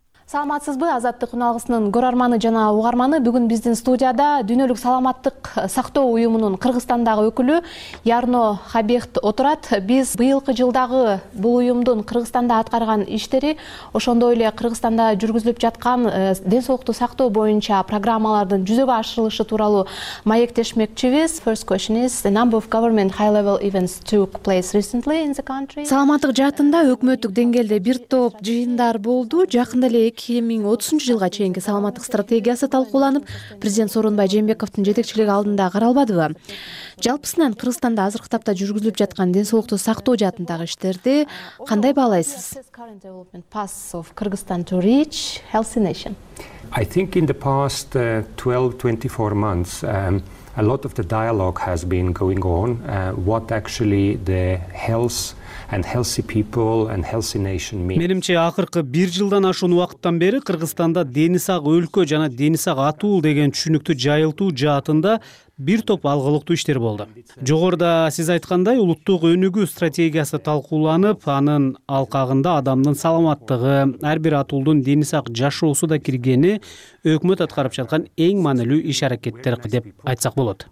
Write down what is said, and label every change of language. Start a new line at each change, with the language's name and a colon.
Kyrgyz: Саламатсызбы, Азаттык уналгысынын көрөрманы жана угарманы. Бүгүн биздин студияда дүйнөлүк саламаттык сактоо уюмунун Кыргызстандагы өкүлү Ярно Хабихт отурат. Биз быйылкы жылдагы бул уюмдун Кыргызстанда аткарган иштери, ошондой эле Кыргызстанда жүргүзүлүп жаткан ден соолукту сактоо боюнча программалардын жүзөгө ашырылышы тууралуу маектешмекчибиз.
English: First question is the number of government high level events took place recently in the country.
Kyrgyz: Саламаттык жаатында өкмөттүк деңгээлде бир топ жыйындар болду. Жакында эле 2030 жылга чейинки саламаттык стратегиясы талкууланып, президент Сооронбай Жээнбековдун жетекчилиги алдында каралбадыбы? Жалпысынан Кыргызстанда азыркы тапта жүргүзүлүп жаткан ден соолукту сактоо жаатындагы иштерди кандай баалайсыз?
English: I think in the past 12-24 months a lot of the dialogue has been going on what actually the health and healthy people and healthy nation mean.
Kyrgyz: Менимче акыркы 1 жылдан ашуун убакыттан бери Кыргызстанда дени сак өлкө жана дени сак атуул деген түшүнүктү жайылтуу жаатында бир топ алгылыктуу иштер болду. Жогоруда сиз айткандай улуттук өнүгүү стратегиясы талкууланып, анын алкагында адамдын саламаттыгы, ар бир атуулдун дени сак жашоосу да киргени өкмөт аткарып жаткан эң маанилүү иш аракеттер деп айтсак болот.